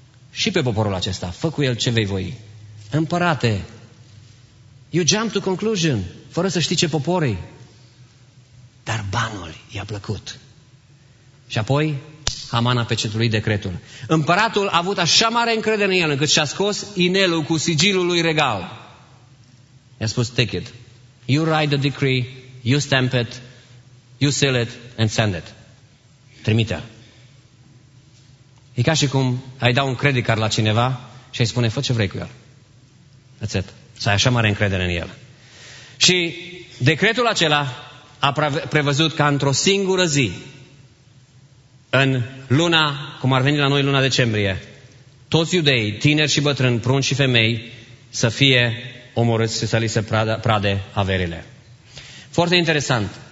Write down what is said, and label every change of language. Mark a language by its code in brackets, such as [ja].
[ro] Și pe poporul acesta, fă cu el ce vei voi. Împărate, [en] you jump to conclusion, [ro] fără să știi ce poporii. Dar banul i-a plăcut. Și apoi Haman a pecetului decretul. Împăratul a avut așa mare încredere în el încât și-a scos inelul cu sigilul lui regal. I-a spus, [en] take it. You write the decree, you stamp it, you seal it and send it. [ro] Trimite-l. E ca și cum ai da un credit card la cineva și ai spune, fă ce vrei cu el. [en] That's it. [ro] Să ai așa mare încredere în el. Și decretul acela a prevăzut ca într-o singură zi, în luna, cum ar veni la noi luna decembrie, toți iudeii, tineri și bătrâni, prunci și femei, să fie omorâți și să li se prade averile. Foarte interesant.